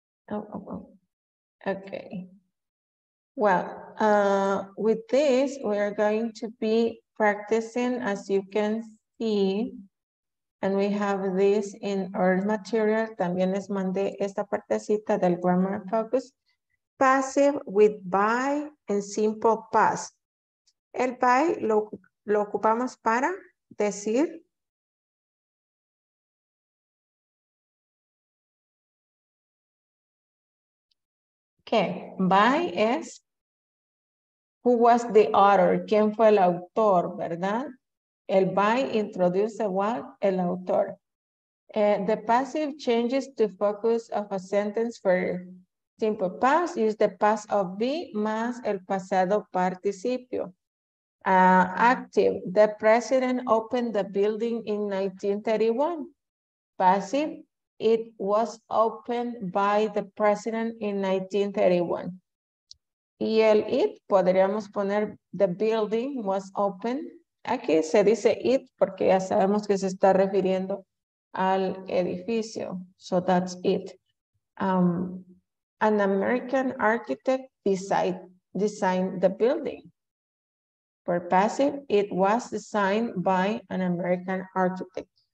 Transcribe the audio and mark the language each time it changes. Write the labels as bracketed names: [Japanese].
[English] Oh, okay. Well, with this, we are going to be practicing, as you can see, and we have this in our material. [Spanish] También les mandé esta partecita del grammar focus. [English] Passive with by and simple past. [Spanish] El by lo ocupamos para decir. [English] Okay, by es. Who was the author? [Spanish] ¿Quién fue el autor, verdad? El by introduce what? El autor. [English] The passive changes to focus of a sentence for simple past. Use the past of be [Spanish] más el pasado participio. [English] Active. The president opened the building in 1931. Passive. It was opened by the president in 1931. [Spanish] Y el it, podríamos poner [English] the building was open. [Spanish] Aquí se dice it porque ya sabemos que se está refiriendo al edificio. [English] So that's it. An American architect designed the building. For passive, it was designed by an American architect.